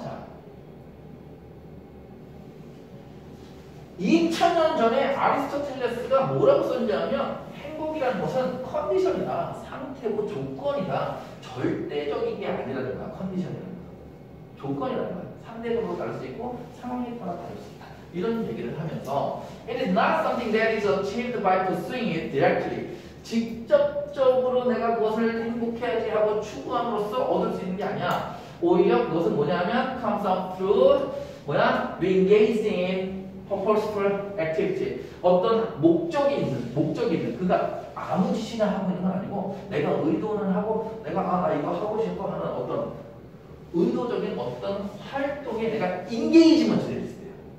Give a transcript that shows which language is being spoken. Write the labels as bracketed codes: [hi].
[ko] 자, 2000년 전에 아리스토텔레스가 뭐라고 썼냐면 행복이란 것은 컨디션이다. 상태고 조건이다. 절대적인 게 아니라는 거야. 컨디션이라는 거야. 조건이라는 거야. 상대적으로 다를 수 있고 상황에 따라 다를 수 있다. 이런 얘기를 하면서 [en] It is not something that is achieved by pursuing it directly. [ko] 직접적으로 내가 그것을 행복해야지 하고 추구함으로써 얻을 수 있는 게 아니야. 오히려 그것은 뭐냐면 [en] comes up through [ko] 뭐야? [en] engaging in purposeful activity. [ko] 어떤 목적이 있는, 목적이 있는. 그러니까 아무 짓이나 하고 있는 건 아니고 내가 의도는 하고 내가 아, 나 이거 하고 싶어 하는 어떤 의도적인 어떤 활동에 내가 engagement이 있어요.